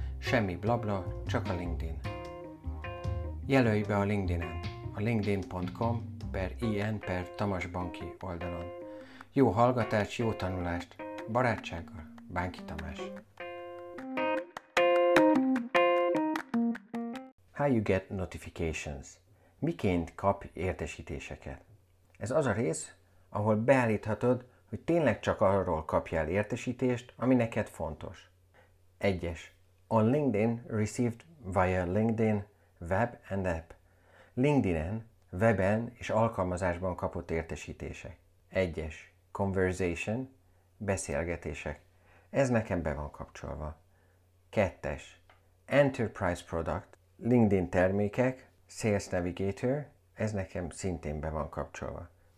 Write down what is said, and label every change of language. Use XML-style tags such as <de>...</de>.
<hu>Semmi blabla, csak a LinkedIn. Jelölj be a LinkedIn-en, a linkedin.com/in/tamasbanki oldalon. Jó hallgatást, jó tanulást, barátsággal, Bánki Tamás.</hu> <en>How you get notifications?</en> <hu>Miként kap értesítéseket? Ez az a rész, ahol beállíthatod, hogy tényleg csak arról kapjál értesítést, ami neked fontos. 1.</hu> <en>On LinkedIn received via LinkedIn web and app.</en> <hu>LinkedIn-en, weben és alkalmazásban kapott értesítések. 1. Conversation, beszélgetések. Ez nekem be van kapcsolva. 2. Enterprise product, LinkedIn termékek, Sales Navigator, ez nekem szintén be van kapcsolva.</hu>